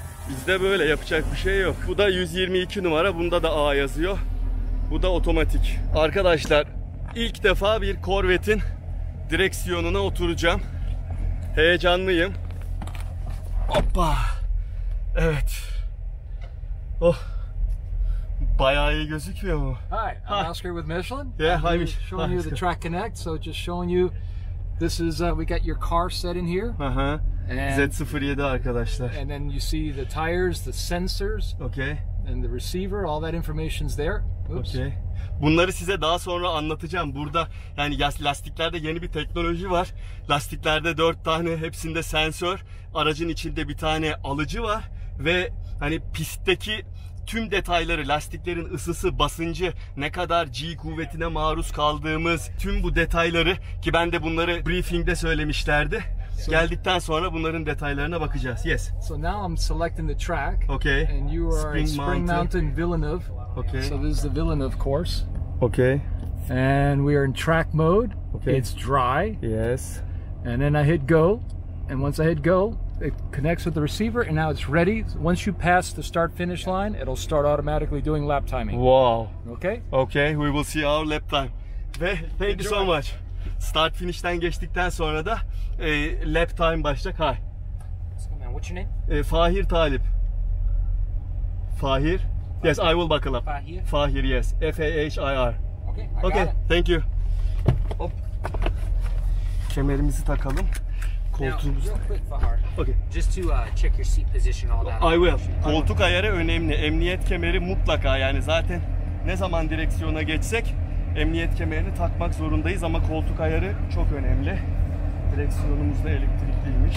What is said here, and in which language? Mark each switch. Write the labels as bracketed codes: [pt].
[tr] Bizde böyle yapacak bir şey yok. Bu da 122 numara. Bunda da A yazıyor. Bu da otomatik. Arkadaşlar ilk defa bir Corvette'in direksiyonuna oturacağım. Heyecanlıyım. Hoppa. Evet. Oh. Bayağı iyi gözüküyor mu? [en] Hi, I'm Oscar with Michelin. Yeah, hi Michelin. Showing you the Track Connect. So just showing you, this is, we got your car set in here. [tr] Z07 arkadaşlar. [en] And then you see the tires, the sensors. Okay. And the receiver, all that information's there. Oops. Okay. [tr] Bunları size daha sonra anlatacağım. Burada yani lastiklerde yeni bir teknoloji var. Lastiklerde 4 tane hepsinde sensör. Aracın içinde bir tane alıcı var. Ve hani pistteki tüm detayları, lastiklerin ısısı, basıncı, ne kadar G kuvvetine maruz kaldığımız tüm bu detayları ki ben de bunları briefingde söylemişlerdi. So, geldikten sonra bunların detaylarına bakacağız. [en] Yes. So now I'm selecting the track. Okay. And you are Spring Mountain Villeneuve. Okay. So this is the Villeneuve course. Okay. And we are in track mode. Okay. It's dry. Yes. And then I hit go. And once I hit go, it connects with the receiver and now it's ready. Once you pass the start finish line, it'll start automatically doing lap timing. Wow. Okay. Okay, we will see our lap time. Thank you so much. [tr] Start finish'ten geçtikten sonra da lap time başlayacak. [en] Hi. What's your name? Fahir Talip. Fahir. Yes, I will buckle up. Fahir. Fahir, yes. F-A-H-I-R. Okay, okay, got it. Thank you. [tr] Hop. Kemerimizi takalım. Koltuğumuzu. [en] Now, real quick, Fahir. Okay. Just to check your seat position, all that. I will. [tr] Koltuk ayarı önemli. Emniyet kemeri mutlaka yani zaten ne zaman direksiyona geçsek emniyet kemerini takmak zorundayız ama koltuk ayarı çok önemli. Direksiyonumuz da elektrikliymiş.